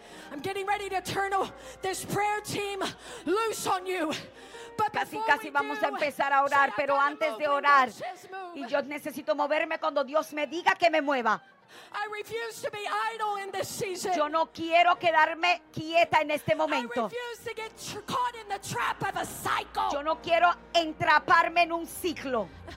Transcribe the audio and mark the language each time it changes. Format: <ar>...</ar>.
<en>I'm getting ready to turn this prayer team loose on you.</en> <es>But casi vamos a empezar a orar, pero antes de orar, y yo necesito moverme cuando Dios me diga que me mueva.</es> <en>I refuse to be idle in this season.</en> <es>Yo no quiero quedarme quieta en este momento.</es> <en>I refuse to get caught in the trap of a cycle.</en> <es>Yo no quiero entraparme en un ciclo.</es>